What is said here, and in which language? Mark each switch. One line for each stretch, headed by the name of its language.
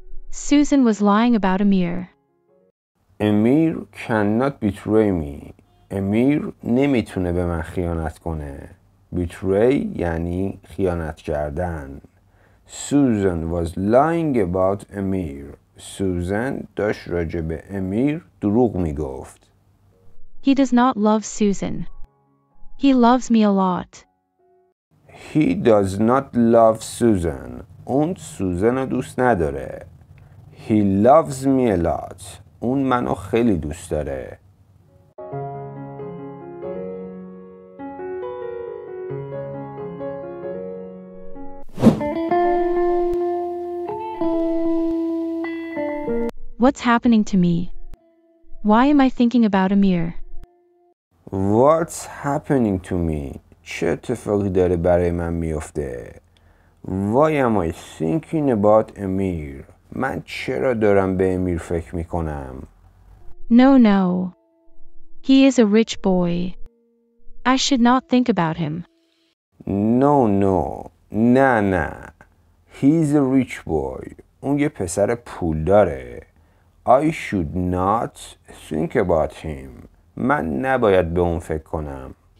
English: Susan was lying about Amir. Amir cannot betray me.
Persian: Amir نمیتونه به من خیانت کنه. Betray یعنی خیانت کردن.
English: Susan was lying about Amir.
Persian: Susan داشت راجع به امیر دروغ میگفت.
English: He does not love Susan. He loves me a lot. He does not love Susan.
Persian: اون سوزن رو دوست نداره.
English: He loves me a lot.
Persian: اون منو خیلی دوست داره.
English: What's happening to me? Why am I thinking about Amir? What's happening to me?
Persian: چه اتفاقی داره برای من میفته؟
English: Why am I thinking about Amir?
Persian: من چرا دارم به امیر فکر میکنم؟
English: No, no. He is a rich boy. I should not think about him. No, no.
Persian: نه, نه.
English: He is a rich boy.
Persian: اون یه پسر پول داره.
English: I should not think about him.
Persian: من نباید به اون فکر کنم.